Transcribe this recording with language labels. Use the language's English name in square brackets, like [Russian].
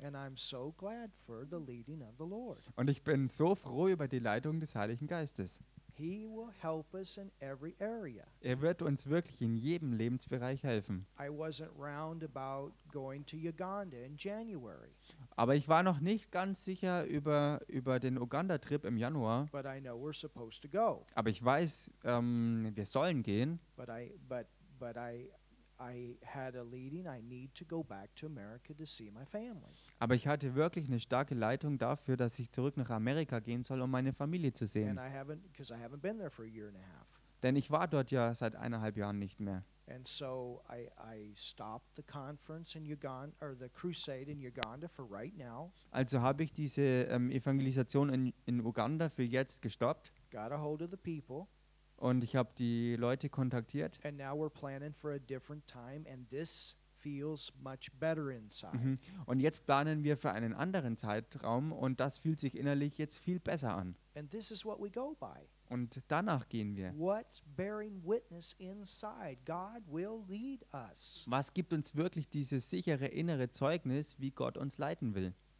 [English] And I'm so glad for the leading of the Lord. [German] Und ich bin so froh über die Leitung des Heiligen Geistes. [English] He will help us in every area. [German] Er wird uns wirklich in jedem Lebensbereich helfen. [English] I wasn't round about going to Uganda in January. [German] Aber ich war noch nicht ganz sicher über den Uganda-Trip im Januar. [English] But I know we're supposed to go. [German] Aber ich weiß, wir sollen gehen. [English] But I had a leading, I need to go back to America to see my family. [German] Aber ich hatte wirklich eine starke Leitung dafür, dass ich zurück nach Amerika gehen soll, um meine Familie zu sehen. [English] And I haven't, 'cause I haven't been there for a year and a half. [German] Denn ich war dort ja seit eineinhalb Jahren nicht mehr. [English] And so I stopped the conference in Uganda, or the crusade in Uganda for right now. [German] Also habe ich diese Evangelisation in Uganda für jetzt gestoppt. [English] Got a hold of the people. [German] Und ich habe die Leute kontaktiert. [English] And now we're planning for a different time, and this feels much better inside. Mhm. [German] Und jetzt planen wir für einen anderen Zeitraum, und das fühlt sich innerlich jetzt viel besser an. [English] And this is what we go by. [German] Und danach gehen wir. [English] What's bearing witness inside? God will lead us. [German] Was gibt uns wirklich dieses sichere innere Zeugnis, wie Gott uns leiten will?